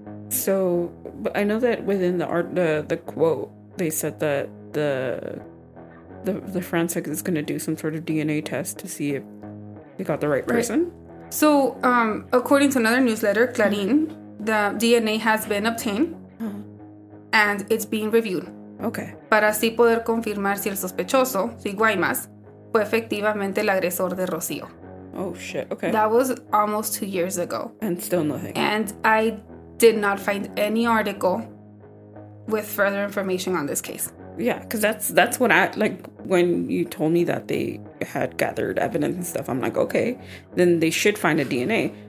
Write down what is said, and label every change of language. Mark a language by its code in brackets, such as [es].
[en] So, but I know that within the quote, they said that the forensic is going to do some sort of DNA test to see if they got the right person. Right. So, according to another newsletter, Clarín, the DNA has been obtained, and it's being reviewed. Okay. [es] Para así poder confirmar si el sospechoso, si Guaymas, fue efectivamente el agresor de Rocío. [en] Oh, shit. Okay. That was almost 2 years ago. And still nothing. And I did not find any article with further information on this case. Yeah, because that's what I, like, when you told me that they had gathered evidence and stuff, I'm like, okay, then they should find a DNA.